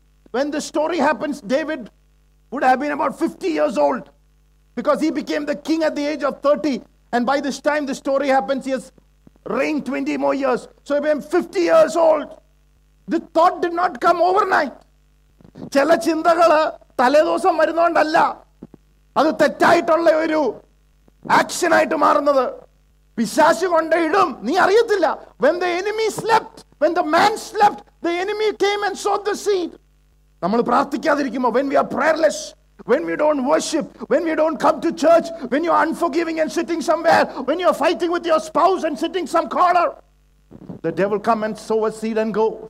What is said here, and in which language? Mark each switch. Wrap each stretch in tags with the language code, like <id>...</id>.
<en>When the story happens, David would have been about 50 years old, because he became the king at the age of 30, And by this time the story happens, he has reigned 20 more years. So if I am 50 years old, the thought did not come overnight.</en> <ml>ചില ചിന്തകള് തലേദിവസം വരുന്നോണ്ടല്ല അത് തെറ്റായിട്ടുള്ള ഒരു action ആയിട്ട് മാറുന്നത് പിശാച് കൊണ്ട ഇടും നീ അറിയത്തില്ല.</ml> <en>When the enemy slept, when the man slept, the enemy came and sowed the seed.</en> <ml>നമ്മൾ പ്രാർത്ഥിക്കാതിരിക്കുമ്പോ,</ml> <en>when we are prayerless, when we don't worship, when we don't come to church, when you are unforgiving and sitting somewhere, when you are fighting with your spouse and sitting some corner, the devil come and sow a seed and go.</en>